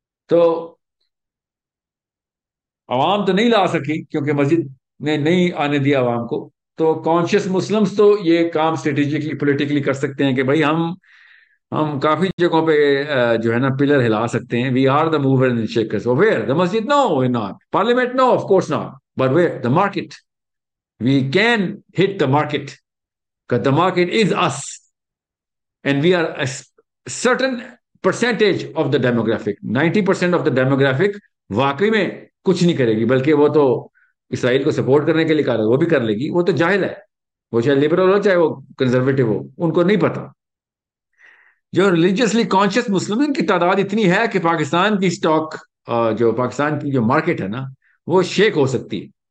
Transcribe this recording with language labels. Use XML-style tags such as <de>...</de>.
<ur>تو عوام تو نہیں لا سکی کیونکہ مسجد نے نہیں آنے دیا عوام کو. تو کانشیس مسلمز تو یہ کام اسٹریٹجیکلی پولیٹیکلی کر سکتے ہیں کہ بھائی ہم کافی جگہوں پہ جو ہے نا پلر ہلا سکتے ہیں.</ur> <en>We are the movers and shakers. Where the مسجد؟ No, we not. Parliament? No, of course not. But where the market? We can hit the market, the market is us, and we are certain percentage of the demographic. 90% of the demographic</en> <ur>واقعی میں کچھ نہیں کرے گی, بلکہ وہ تو اسرائیل کو سپورٹ کرنے کے لیے کہہ رہا ہے, وہ بھی کر لے گی. وہ تو جاہل ہے, وہ چاہے لبرل ہو چاہے وہ کنزرویٹو ہو, ان کو نہیں پتا. جو ریلیجیسلی کانشیس مسلم ان کی تعداد اتنی ہے کہ پاکستان کی اسٹاک, جو پاکستان کی جو مارکیٹ ہے نا, وہ شیک ہو سکتی ہے.</ur>